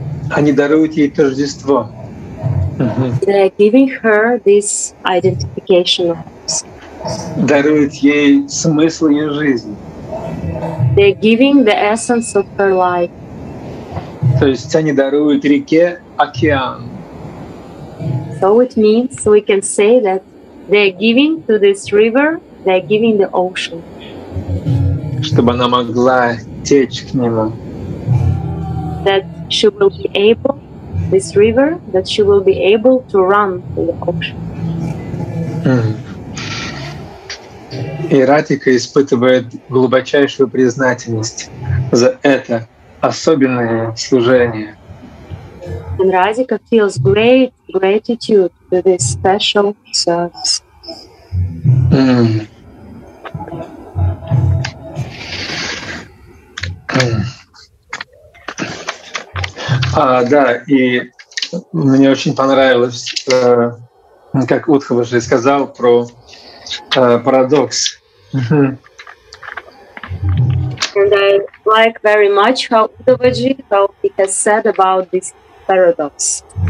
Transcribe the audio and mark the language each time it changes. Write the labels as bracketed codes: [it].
[ru] Они даруют ей тождество. [en] They are giving her this identification. [ru] Даруют ей смысл ее жизни. [en] They are giving the essence of her life. [ru] То есть они даруют реке океан. [en] So it means we can say that they are giving to this river, they are giving the ocean. [ru] Чтобы она могла течь к нему. [en] That she will be able, this river, that she will be able to run to the ocean. [ru] И Ратика испытывает глубочайшую признательность за это особенное служение. [en] And Radhika feels great gratitude for this special service. [ru] Да, и мне очень понравилось, как Удхава же сказал про парадокс. [en] And I like very much how Uddhavaji, how he has said about this paradox.